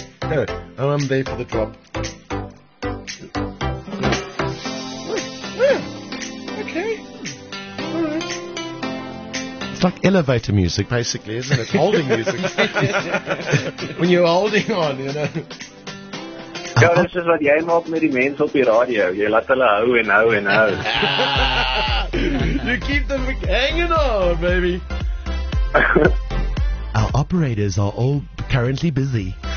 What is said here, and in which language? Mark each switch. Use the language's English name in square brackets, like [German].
[English] No, I'm there for the drop. It's like elevator music, basically, isn't it? Holding music. When you're holding on, you know. [Afrikaans] Ja, dis is wat jy maak met die mense op die radio. Jy laat hulle hou en hou en hou. [English] You keep them hanging on, baby. Our operators are all currently busy.